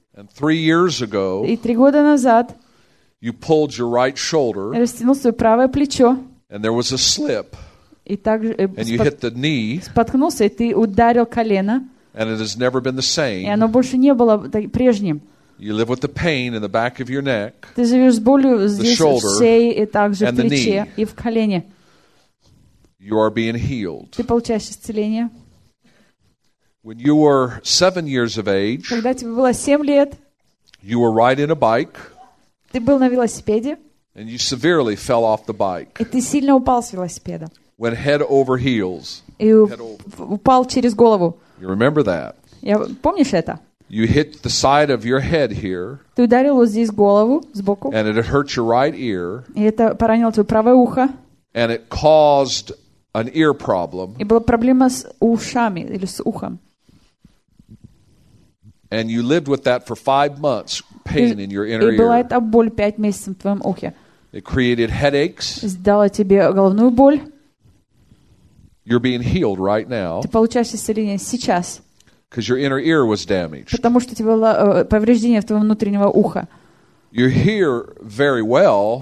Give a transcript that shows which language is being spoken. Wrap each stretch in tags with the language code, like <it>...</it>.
<en>And 3 years ago,</en> <ru>и 3 года назад</ru> <en>you pulled your right shoulder,</en> <ru>я растянул свое правое плечо,</ru> <en>and there was a slip,</en> <ru>и также,</ru> <en>and you hit the knee,</en> <ru>споткнулся, и ты ударил колено,</ru> <en>and it has never been the same,</en> <ru>и оно больше не было прежним.</ru> <en>You live with the pain in the back of your neck.</en> <ru>Ты живешь с болью здесь, в шее и также в плече и в колене.</ru> <en>You are being healed.</en> <ru>Ты получаешь исцеление.</ru> <en>When you were 7 years of age,</en> <ru>когда тебе было 7 лет,</ru> <en>you were riding a bike.</en> <ru>Ты был на велосипеде.</ru> <en>And you severely fell off the bike.</en> <ru>И ты сильно упал с велосипеда.</ru> <en>Went head over heels.</en> <ru>И упал через голову.</ru> <en>You remember that?</en> <ru>Я помнишь это?</ru> <en>You hit the side of your head here.</en> <ru>Ты ударил вот здесь голову сбоку.</ru> <en>And it hurt your right ear.</en> <ru>И это поранило твое правое ухо.</ru> <en>And it caused an ear problem.</en> <ru>И была проблема с ушами или с ухом.</ru> <en>And you lived with that for 5 months, pain in your inner ear.</en> <ru>И была эта боль 5 месяцев в твоем ухе.</ru> <en>It created headaches.</en> <ru>Сдала тебе головную боль.</ru> <en>You're being healed right now.</en> <ru>Ты получаешь исцеление сейчас.</ru> <en>Because your inner ear was damaged.</en> <ru>Потому что у тебя было повреждение в твоем внутреннего уха.</ru> <en>You hear very well.</en>